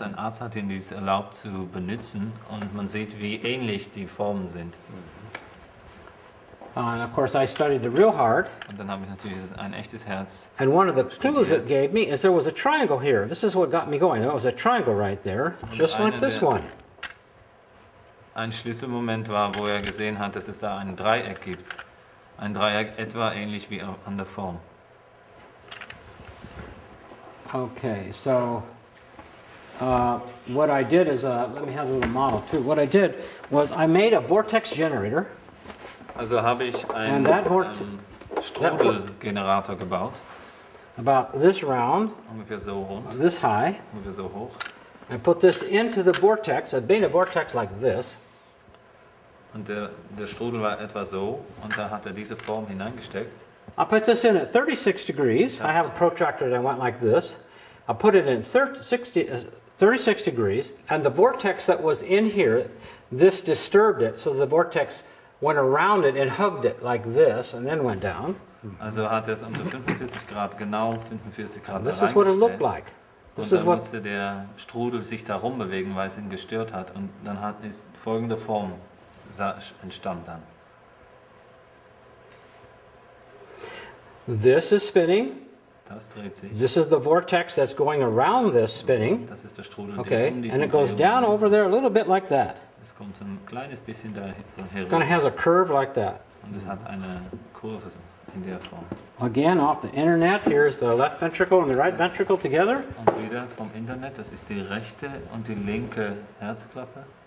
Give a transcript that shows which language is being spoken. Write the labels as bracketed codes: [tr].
[de] Ein Arzt hat ihn dies erlaubt zu benutzen und man sieht, wie ähnlich die Formen sind. [en] And of course I studied the real heart. [de] Und dann habe ich natürlich ein echtes Herz. [en] And one of the clues it gave me is there was a triangle here. This is what got me going. There was a triangle right there, just like this one. [de] Ein Schlüsselmoment war, wo er gesehen hat, dass es da ein Dreieck gibt. Ein Dreieck etwa ähnlich wie an der Form. [en] Okay, so what I did is, let me have a little model too. What I did was I made a vortex generator. [de] Also habe ich einen Strudelgenerator gebaut. [en] About this round, [de] ungefähr so rund, [en] this high, [de] ungefähr so hoch. [en] I put this into the vortex. I made a vortex like this. [de] Und der Strudel war etwa so und da hat diese Form hineingesteckt. [en] I put this in at 36 degrees. I have a protractor that went like this. I put it in 36 degrees, and the vortex that was in here, this disturbed it, so the vortex went around it and hugged it like this, and then went down. [de] Also hat es um 45 Grad, genau 45 Grad. [en] This is what it looked like. This is what. [de] Und dann musste der Strudel sich darum bewegen, weil es ihn gestört hat, und dann hat es folgende Form entstand dann. [en] This is spinning. [de] Das dreht sich. [en] This is the vortex that's going around this spinning. [de] Das ist der Strudel, [en] okay, and it goes down over there a little bit like that. [de] Es kommt ein kleines bisschen da herum. [en] Kind of has a curve like that. [de] Und es hat eine Kurve in der Form. [en] Again, off the internet, here's the left ventricle and the right ventricle together. [de] Und wieder vom Internet, das ist die rechte und die linke Herzklappe.